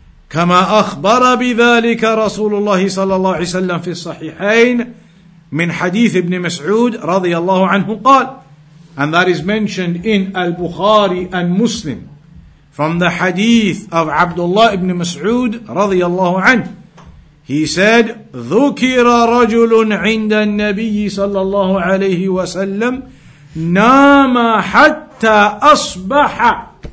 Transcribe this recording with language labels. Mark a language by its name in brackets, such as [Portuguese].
[Arabic] كما أخبر بذلك رسول الله صلى الله عليه وسلم في الصحيحين من حديث ابن مسعود رضي الله عنه قال. [English] And that is mentioned in Al-Bukhari and Muslim from the hadith of Abdullah ibn Mas'ud رضي الله عنه. He said, [Arabic] ذكر رجل عند النبي صلى الله عليه وسلم نام حتى أصبح.